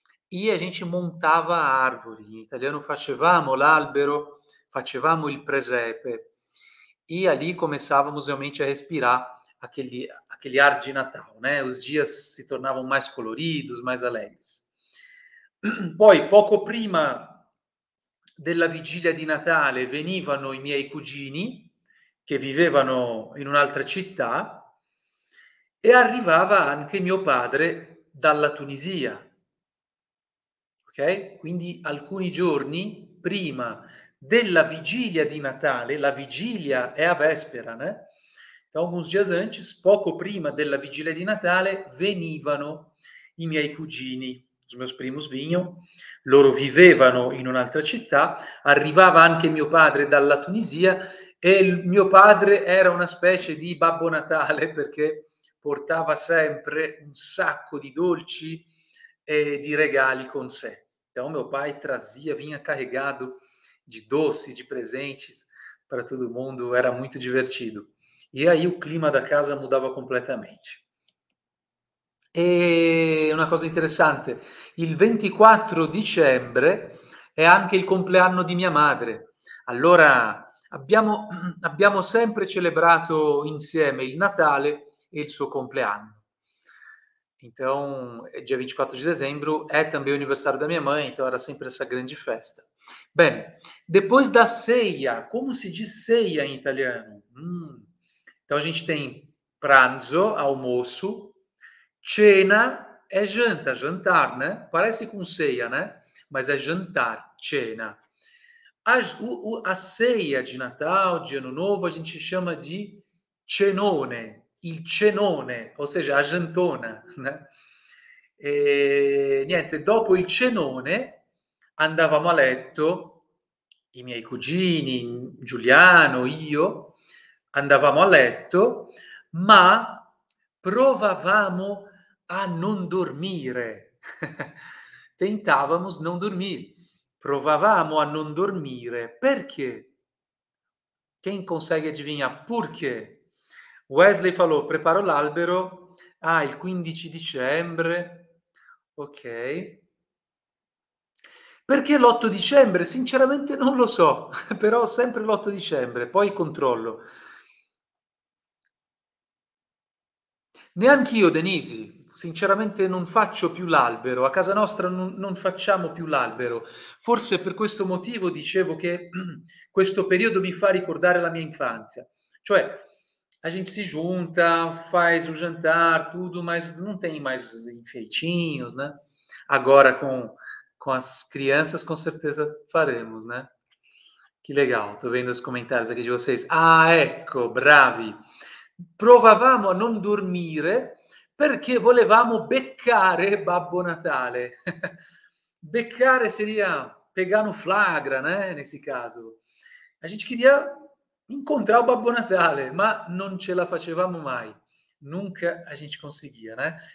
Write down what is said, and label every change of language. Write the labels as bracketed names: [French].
[Portuguese] E a gente montava arvore, [Italian] in italiano facevamo l'albero, facevamo il presepe, [Portuguese] e ali começávamos realmente a respirar aquele ar de Natal, né? Os dias se tornavam mais coloridos, mais alegres. [Italian] Poi, poco prima della vigília di Natale, venivano i miei cugini, che vivevano in un'altra città, e arrivava anche mio padre dalla Tunisia. Okay? Quindi alcuni giorni prima della vigilia di Natale, la vigilia è [Portuguese] a vespera, né? Então, [Italian] alcuni giorni [Portuguese] antes, [Italian] poco prima della vigilia di Natale, venivano i miei cugini, [Portuguese] os meus primos vinham, [Italian] loro vivevano in un'altra città, arrivava anche mio padre dalla Tunisia e il mio padre era una specie di Babbo Natale perché portava sempre un sacco di dolci e di regali con sé. [Portuguese] Então, meu pai trazia, vinha carregado de doces, de presentes para todo mundo, era muito divertido. E aí o clima da casa mudava completamente. E uma coisa interessante, [Italian] il 24 dicembre è anche il compleanno di mia madre. Allora, abbiamo sempre celebrato insieme il Natale e il suo compleanno. [Portuguese] Então, dia 24 de dezembro é também o aniversário da minha mãe, então era sempre essa grande festa. Bem, depois da ceia, como se diz ceia em italiano? Então, a gente tem pranzo, almoço, cena é janta, jantar, né? Parece com ceia, né? Mas é jantar, cena. A ceia de Natal, de Ano Novo, a gente chama de cenone. Il cenone, ou seja, a jantona, né? [Italian] E niente, dopo il cenone andavamo a letto, i miei cugini, Giuliano, io andavamo a letto, ma provavamo a non dormire. Tentavamo non dormire. Provavamo a non dormire. Perché? [Portuguese] Quem consegue adivinhar [Italian] perché? [Portuguese] Wesley falou: [Italian] preparo l'albero. Ah, il 15 dicembre. Ok. Perché l'8 dicembre? Sinceramente non lo so, però sempre l'8 dicembre, poi controllo. Neanch'io, Denisi, sinceramente non faccio più l'albero. A casa nostra non facciamo più l'albero. Forse per questo motivo dicevo che questo periodo mi fa ricordare la mia infanzia. Cioè, [Portuguese] a gente se junta, faz o jantar, tudo, mas não tem mais enfeitinhos, né? Agora com as crianças, com certeza faremos, né? Que legal, tô vendo os comentários aqui de vocês. [Italian] Ah, ecco, bravi. Provavamo a non dormire perché volevamo beccare Babbo Natale. [Portuguese] Beccare seria pegar no flagra, né? Nesse caso. A gente queria incontrare Babbo Natale, [Italian] ma non ce la facevamo mai, [Portuguese] nunca a gente conseguia, né?